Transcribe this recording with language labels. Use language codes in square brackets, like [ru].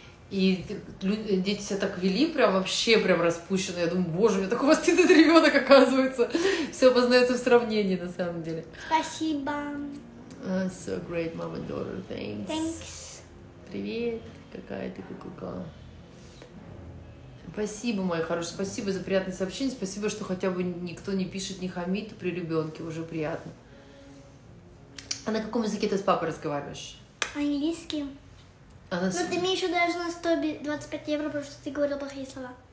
[ru] И люди, дети себя так вели, прям вообще прям распущены. Я думаю, боже, у меня такой воспитанный ребенок, оказывается. Все познается в сравнении, на самом деле. Спасибо. [en] So great, mom and daughter, thanks. Thanks. [ru] Привет, какая ты ку-ку-ка. Спасибо, мои хорошие, спасибо за приятное сообщение. Спасибо, что хотя бы никто не пишет, не хамит при ребенке, уже приятно. А на каком языке ты с папой разговариваешь? Английским. Она... Но ты мне еще должна 125 евро, потому что ты говорил плохие слова.